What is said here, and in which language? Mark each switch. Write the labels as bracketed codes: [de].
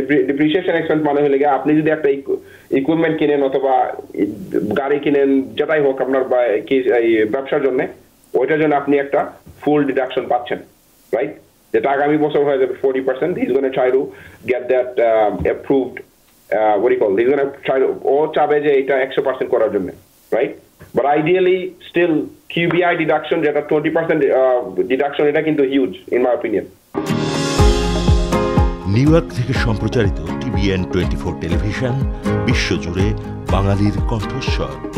[bn] Depreciation expense মানে হলে গিয়ে আপনি যদি একটা ইকুইপমেন্ট কিনেন অথবা গাড়ি কিনেন, যেটাই হোক আপনার ব্যবসার জন্য, ওইটার জন্য আপনি একটা ফুল ডিডাকশন পাচ্ছেন, রাইট? যেটা আগামী বছর হয়ে যাবে 40%, [en] he's gonna try to [bn] get that approved, his gonna try to, ও চাবে যে এটা 100% করার জন্য, right? [en] But ideally, still, QBI deduction, that a 20% deduction, it is kind of huge, in my opinion. [bn] New York থেকে সম্প্রচারিত TBN 24 টেলিভিশন বিশ্বজুড়ে বাঙালির কণ্ঠস্বর।